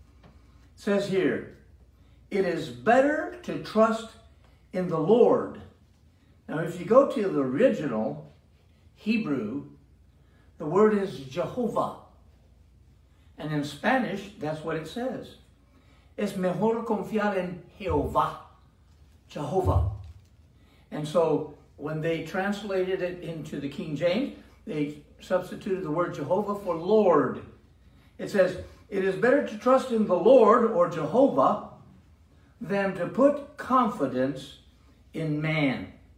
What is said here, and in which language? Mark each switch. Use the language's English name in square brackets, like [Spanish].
[English] It says here, "It is better to trust in the Lord." Now, if you go to the original Hebrew, the word is Jehovah. And in Spanish, that's what it says. [Spanish] Es mejor confiar en Jehová, Jehovah. [English] And so when they translated it into the King James, they substituted the word Jehovah for Lord. It says, "It is better to trust in the Lord," or Jehovah, "than to put confidence in man."